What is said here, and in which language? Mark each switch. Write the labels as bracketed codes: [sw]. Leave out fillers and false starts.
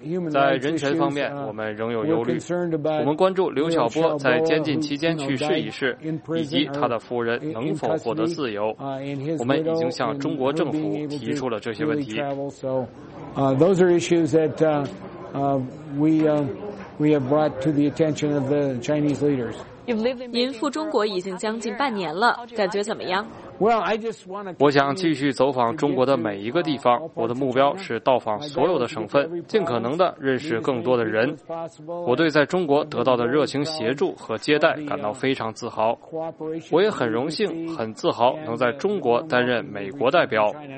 [zh] 在人权方面，我们仍有忧虑。我们关注刘晓波在监禁期间去世一事，以及他的夫人能否获得自由。我们已经向中国政府提出了这些问题。 [en] Those are issues that we have brought to the attention of the Chinese leaders. [zh] 您赴中国已经将近半年了，感觉怎么样？我想继续走访中国的每一个地方，我的目标是到访所有的省份，尽可能的认识更多的人。我对在中国得到的热情协助和接待感到非常自豪，我也很荣幸很自豪能在中国担任美国代表。